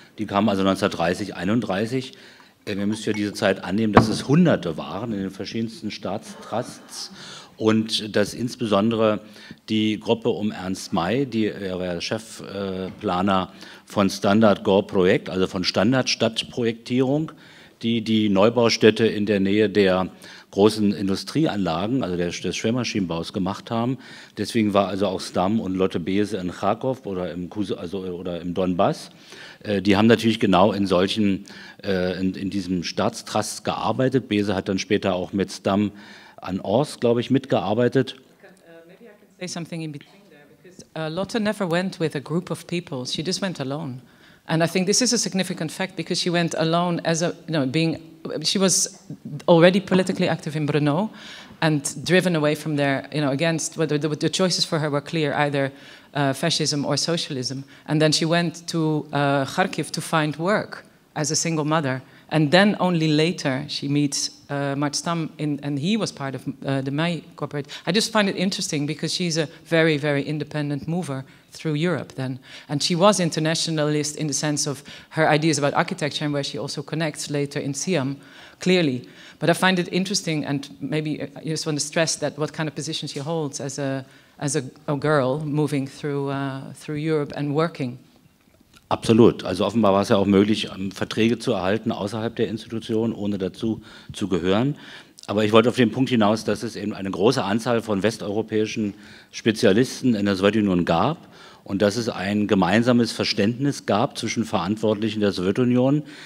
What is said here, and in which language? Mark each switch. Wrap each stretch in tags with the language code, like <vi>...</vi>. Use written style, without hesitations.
<de>Die kamen also 1930, 31. Wir müssen ja diese Zeit annehmen, dass es Hunderte waren in den verschiedensten Staatstrusts und dass insbesondere die Gruppe um Ernst May, die er war Chefplaner von Standard Gore Projekt, also von Standardstadtprojektierung, die die Neubaustädte in der Nähe der großen Industrieanlagen, also des Schwermaschinenbaus gemacht haben. Deswegen war also auch Stamm und Lotte Bese in Kharkov oder im Donbass. Die haben natürlich genau in solchen, in diesem Staatstrust gearbeitet. Bese hat dann später auch mit Stamm an Ors, glaube ich, mitgearbeitet.</de> <en>Maybe I can say something in between there, because Lotte never went with a group of people. She just went alone. And I think this is a significant fact because she went alone as a, you know, being, she was already politically active in Brno and driven away from there, you know, against whether the choices for her were clear, either fascism or socialism. And then she went to Kharkiv to find work as a single mother. And then only later she meets Mart Stamm in, and he was part of the May Corporate. I just find it interesting because she's a very, very independent mover through Europe then. And she was internationalist in the sense of her ideas about architecture and where she also connects later in Siam, clearly. But I find it interesting, and maybe I just want to stress that what kind of position she holds as a girl moving through through Europe and working.</en> <de>Absolut. Also offenbar war es ja auch möglich, Verträge zu erhalten außerhalb der Institution, ohne dazu zu gehören. Aber ich wollte auf den Punkt hinaus, dass es eben eine große Anzahl von westeuropäischen Spezialisten in der Sowjetunion gab und dass es ein gemeinsames Verständnis gab zwischen Verantwortlichen der Sowjetunion,</de>